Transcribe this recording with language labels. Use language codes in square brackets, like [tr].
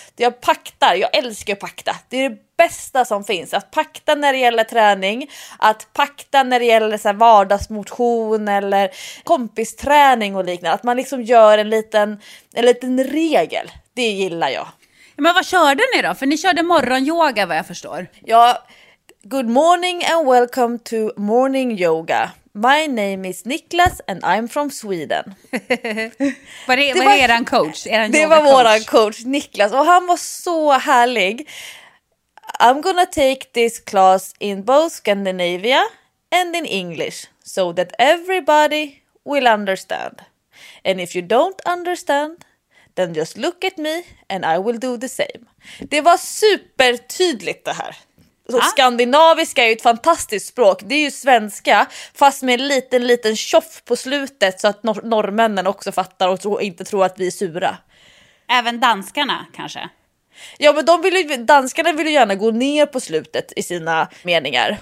[sv] Jag paktar, jag älskar att pakta. Det är det bästa som finns, att pakta när det gäller träning, att pakta när det gäller så här vardagsmotion eller kompisträning och liknande, att man liksom gör en liten regel. Det gillar jag. Men vad körde ni då? För ni körde morgonyoga, vad jag förstår. [en] Ja, good morning and welcome to morning yoga. My name is Niklas and I'm from Sweden. [sv] Vad är eran coach? Det var våran coach, Niklas. Och han var så härlig. [en] I'm gonna take this class in both Scandinavia and in English. So that everybody will understand. And if you don't understand... Then just look at me and I will do the same. [sv] Det var supertydligt det här. Så skandinaviska är ju ett fantastiskt språk. Det är ju svenska fast med en liten tjoff på slutet så att norrmännen också fattar och inte tror att vi är sura. Även danskarna kanske? Ja, men danskarna vill ju gärna gå ner på slutet i sina meningar.